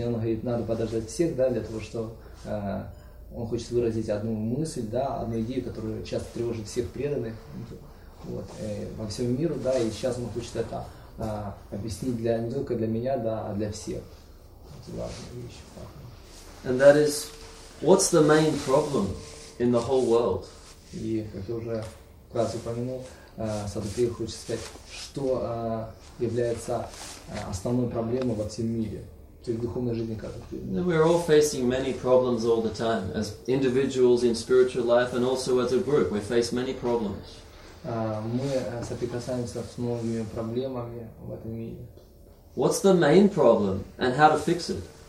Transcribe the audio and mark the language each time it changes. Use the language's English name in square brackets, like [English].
[Russian] Он говорит, надо подождать всех, да, для того, что он хочет выразить одну мысль, да, одну идею, которую часто тревожит всех преданных, вот, во всем миру, да, и сейчас он хочет это объяснить для, не только для меня, да, а для всех. Это важная вещь. [English] And that is, what's the main problem in the whole world? [Russian] И, как я уже раз упомянул, Садупри хочет сказать, что является основной проблемой во всем мире, то есть духовной жизни каждого. [English] We are all facing many problems all the time, as individuals in spiritual life, and also as a group, we face many problems. [Russian] Мы соприкасаемся с многими проблемами в этом мире. [English] What's the main problem, and how to fix it?